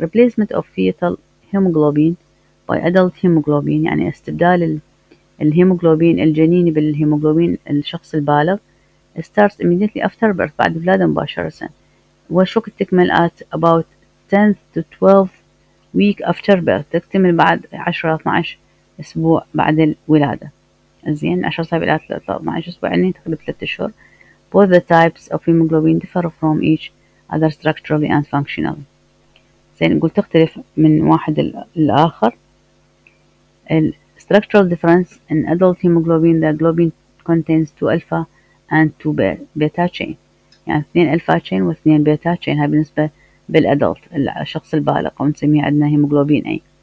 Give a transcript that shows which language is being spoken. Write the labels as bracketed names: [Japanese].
[English] replacement of fetal hemoglobin by adult hemoglobin [Arabic] يعني استبدال الهيموجلوبين الجنيني بالهيموجلوبين الشخص البالغ [English] starts immediately after birth [Arabic] بعد الولادة مباشرة، وشوك تكمل [English] at about 10 to 12 week after birth [Arabic] تكتمل بعد 10 إلى 12 أسبوع بعد الولادة. زين 10 إلى 12 أسبوع يعني تقريبا 3 أشهر. [English] Both the types of hemoglobin differ from each other structurally and functionally. [Arabic] زين نقول تختلف من واحد للآخر. [English] ال structural difference in adult hemoglobin the globin contains 2 alpha and 2 beta chain يعني 2 alpha chain و 2 beta chain [Arabic] هاي بالنسبة بالأدلت الشخص البالغ ونسميه عندنا هيموجلوبين أي.